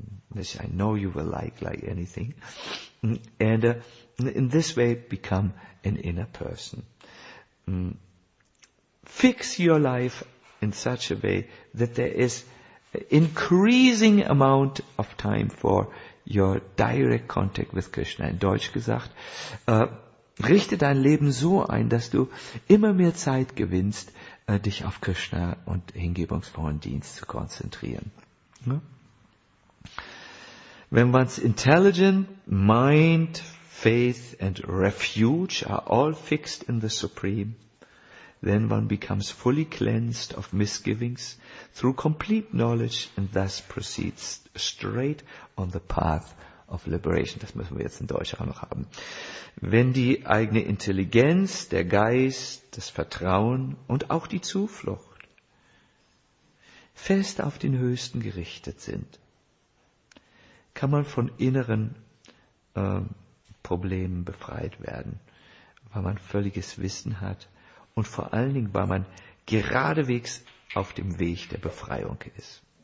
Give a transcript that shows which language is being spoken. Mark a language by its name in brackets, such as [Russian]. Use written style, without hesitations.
[English] which I know you will like anything. And in this way, become an inner person. Fix your life in such a way that there is increasing amount of time for your direct contact with Krishna. [German] In Deutsch gesagt, richte dein Leben so ein, dass du immer mehr Zeit gewinnst, dich auf Krishna und hingebungsvollen Dienst zu konzentrieren. Ja? Wenn man's [English] intelligent, mind, faith and refuge are all fixed in the Supreme, then one becomes fully cleansed of misgivings through complete knowledge and thus proceeds straight on the path of liberation. [German] Das müssen wir jetzt in Deutsch auch noch haben. Wenn die eigene Intelligenz, der Geist, das Vertrauen und auch die Zuflucht fest auf den Höchsten gerichtet sind, kann man von inneren Problemen befreit werden, weil man völliges Wissen hat, und vor allen Dingen, weil man geradewegs auf dem Weg der Befreiung ist.